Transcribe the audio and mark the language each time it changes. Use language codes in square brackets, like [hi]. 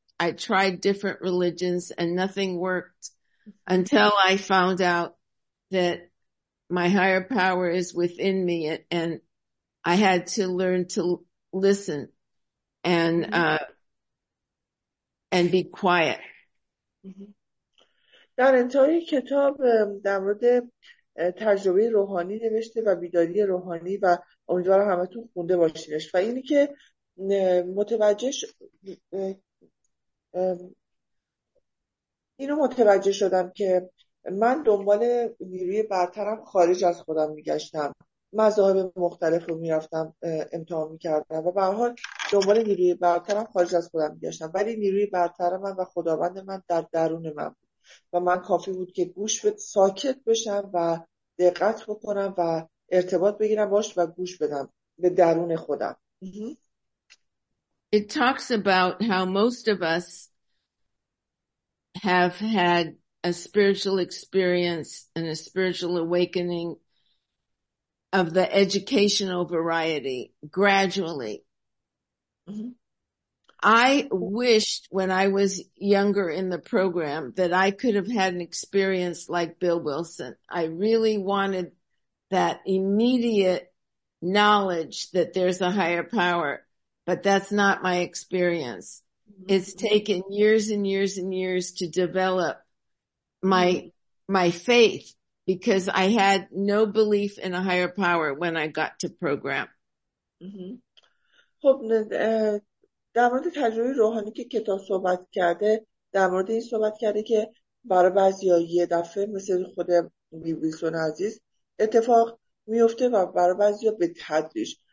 [en] I tried different religions and nothing worked until I found out that my higher power is within me, and I had to learn to listen and be quiet. [fa] در انتهای کتاب در مورد تجربه روحانی نوشته و بیداری روحانی و امیدوارم همتون خونده باشینش و اینی که متوجهش اینو متوجه شدم که من دنبال نیروی برترم خارج از خودم میگشتم، مذاهب مختلف رو میرفتم امتحان میکردم و به هر حال دنبال نیروی برترم خارج از خودم میگشتم، ولی نیروی برتر من و خداوند من در درون من بود و من کافی بود که گوش بده ساکت بشم و دقت بکنم و ارتباط بگیرم باش و گوش بدم به درون خودم. [en] It talks about how most of us have had a spiritual experience and a spiritual awakening of the educational variety gradually. I wished when I was younger in the program that I could have had an experience like Bill Wilson. I really wanted that immediate knowledge that there's a higher power, but that's not my experience. It's taken years and years and years to develop my faith, because I had no belief in a higher power when I got to program. [fa] خب در مورد تجربه روحانی که کتاب صحبت کرده، در مورد این صحبت کرده که برای بعضی ها یه دفعه مثل خود ویلسون عزیز اتفاق میفته و برای بعضی ها به تدریج.